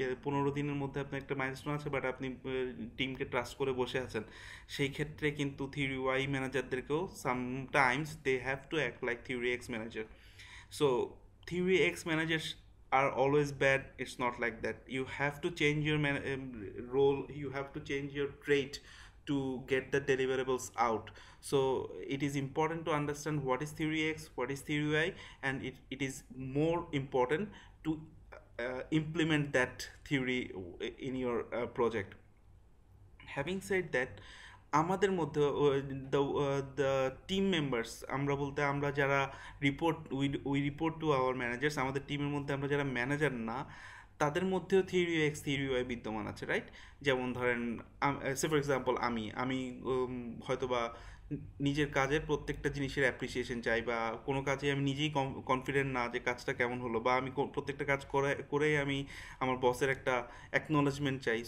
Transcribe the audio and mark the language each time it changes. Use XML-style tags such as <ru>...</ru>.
<bn>15 দিনের মধ্যে আপনার একটা মাইলস্টোন আছে, বাট আপনি টিমকে ট্রাস্ট করে বসে আছেন, সেই ক্ষেত্রে কিন্তু theory Y ম্যানেজারদেরকেও</bn> <en>Sometimes they have to act like theory X manager. So theory X managers are always bad, it's not like that. You have to change your role, you have to change your trait to get the deliverables out. So it is important to understand what is theory X, what is theory Y, and it is more important to implement that theory in your project. Having said that,</en> <bn>আমাদের মধ্যে the team members, আমরা বলতে আমরা যারা report</bn> <en>we report to our managers,</en> <bn>আমাদের টিমের মধ্যে আমরা যারা ম্যানেজার না, তাদের মধ্যেও থিওরি এক্স থিওরি ওয়াই বিদ্যমান আছে, রাইট? যেমন ধরেন,</bn> <en>say for example</en> <bn>আমি হয়তোবা নিজের কাজের প্রত্যেকটা জিনিসের অ্যাপ্রিসিয়েশন চাই, বা কোনো কাজে আমি নিজেই কনফিডেন্ট না যে কাজটা কেমন হলো, বা আমি প্রত্যেকটা কাজ করেই আমি আমার বসের একটা অ্যাকনোলেজমেন্ট চাই।</bn>